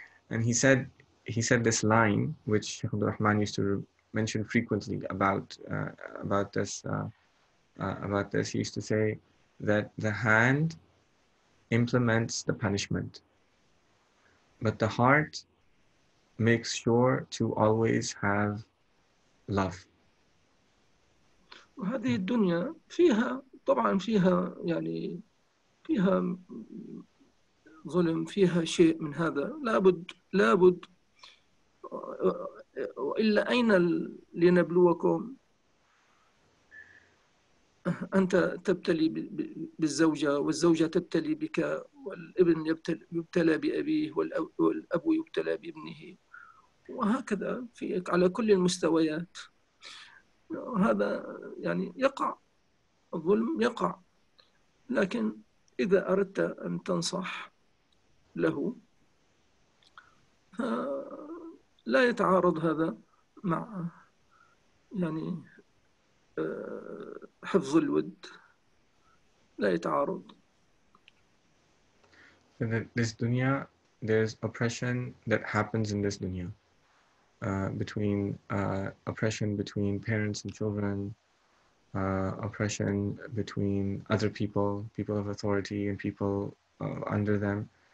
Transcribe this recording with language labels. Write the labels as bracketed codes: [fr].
[en] And he said this line, which Sheikh Abdul Rahman used to mention frequently about this. He used to say that the hand implements the punishment, but the heart makes sure to always have love. [ar] وهذه الدنيا فيها طبعا فيها يعني فيها ظلم، فيها شيء من هذا، لابد وإلا أين لنبلوكم؟ أنت تبتلي بالزوجة والزوجة تبتلي بك، والابن يبتلى بأبيه، والأب يبتلى بابنه، وهكذا في على كل المستويات. هذا يعني يقع الظلم يقع، لكن إذا أردت أن تنصح له لا يتعارض هذا مع يعني حفظ الود، لا يتعارض. [en] This dunya, there's oppression that happens in this dunya. Between oppression between parents and children, oppression between other people, people of authority and people under them.